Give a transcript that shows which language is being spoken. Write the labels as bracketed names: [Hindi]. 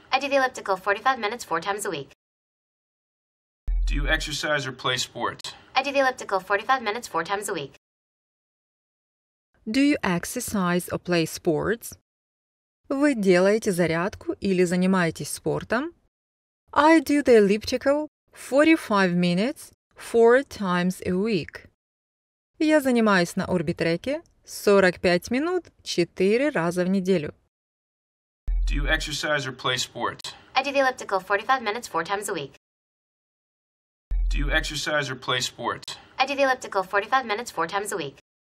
[English] I do the elliptical 45 minutes four times a week. Do you exercise or play sports? I do the elliptical 45 minutes four times a week. Do you exercise or play sports? [Russian] Вы делаете зарядку или занимаетесь спортом? [English] I do the elliptical 45 minutes four times a week. [Russian] Я занимаюсь на орбитреке 45 минут 4 раза в неделю. [English] Do you exercise or play sports? I do the elliptical 45 minutes four times a week. Do you exercise or play sports? I do the elliptical 45 minutes four times a week.